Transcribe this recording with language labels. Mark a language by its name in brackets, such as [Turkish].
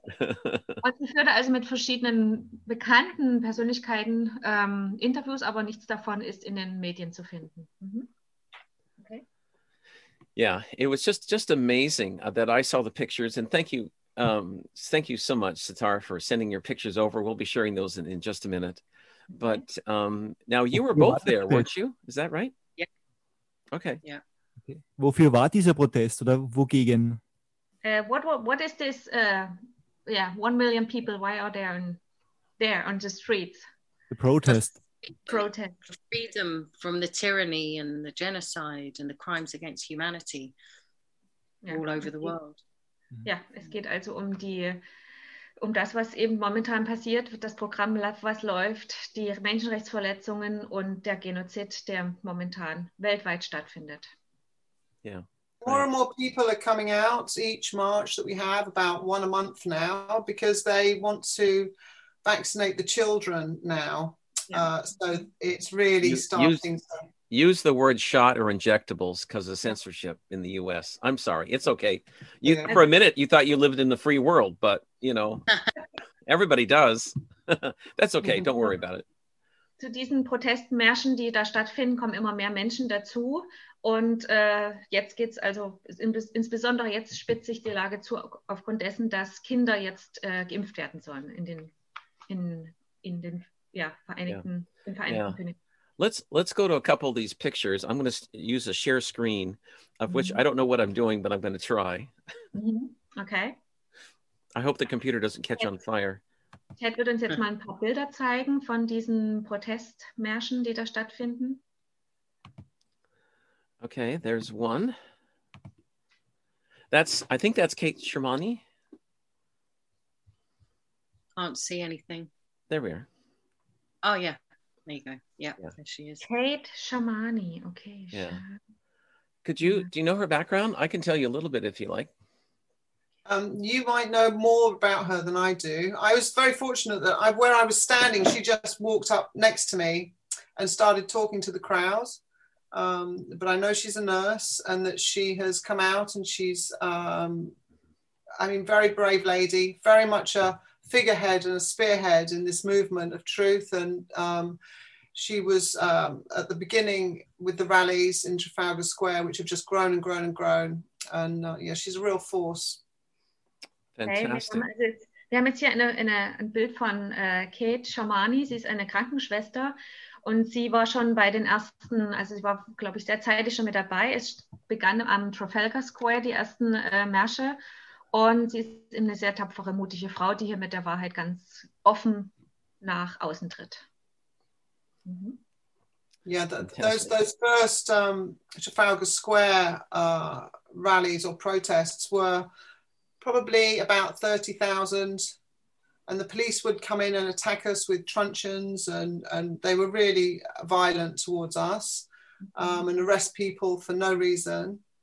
[German] Und sie führte also mit verschiedenen bekannten Persönlichkeiten Interviews, aber nichts davon ist in den Medien zu finden. [English] Yeah, it was just amazing that I saw the pictures, and thank you. Thank you so much, Sitar, for sending your pictures over. We'll be sharing those in just a minute. But now you were both there, [German] Wofür [English] weren't you? Is that right? Okay. Yeah. [German] Okay. Wofür war dieser Protest oder wogegen? [English] What is this? Yeah, 1 million people. Why are they there on the streets? The protest. Protest. Freedom from the tyranny and the genocide and the crimes against humanity [German] Ja. [English] all over the world. [German] Ja, es geht also um die um das, was eben momentan passiert, das Programm, was läuft, die Menschenrechtsverletzungen und der Genozid, der momentan weltweit stattfindet. Ja. [English] Yeah. More and more people are coming out each March that we have, about one a month now, because they want to vaccinate the children now. Yeah. So it's really starting. Use the word shot or injectables because of censorship in the US. I'm sorry. It's okay. You, yeah. For a minute, you thought you lived in the free world, but, you know, everybody does. That's okay. Don't worry about it. [German] Zu diesen Protestmärschen, die da stattfinden, kommen immer mehr Menschen dazu. Und jetzt geht es also, insbesondere jetzt spitzt sich die Lage zu, aufgrund dessen, dass Kinder jetzt geimpft werden sollen in den Vereinigten, [English] yeah. [German] Königreich. [English] Let's go to a couple of these pictures. I'm going to use a share screen, of which I don't know what I'm doing, but I'm going to try. Okay. I hope the computer doesn't catch on fire. [German] Ted wird uns jetzt mal ein paar Bilder zeigen von diesen Protestmärschen, die da stattfinden. [English] Okay, there's one. I think that's Kate Shermani. Can't see anything. There we are. Oh, yeah. There you go. Yeah, there she is. Kate Shermani. Okay. Yeah. Do you know her background? I can tell you a little bit if you like. You might know more about her than I do. I was very fortunate that where I was standing, she just walked up next to me and started talking to the crowd. But I know she's a nurse and that she has come out and she's, very brave lady, very much a figurehead and a spearhead in this movement of truth. And she was at the beginning with the rallies in Trafalgar Square, which have just grown and grown and grown. And she's a real force. Fantastic. [German] Wir haben jetzt hier ein Bild von Kate Shermani. Sie ist eine Krankenschwester und sie war schon bei den ersten, also sie war, glaube ich, sehr zeitig schon mit dabei. Es begann am Trafalgar Square die ersten Märsche und sie ist eine sehr tapfere, mutige Frau, die hier mit der Wahrheit ganz offen nach außen tritt. [English] Yeah, those first Trafalgar Square rallies or protests were probably about 30,000, and the police would come in and attack us with truncheons, and they were really violent towards us, and arrest people for no reason.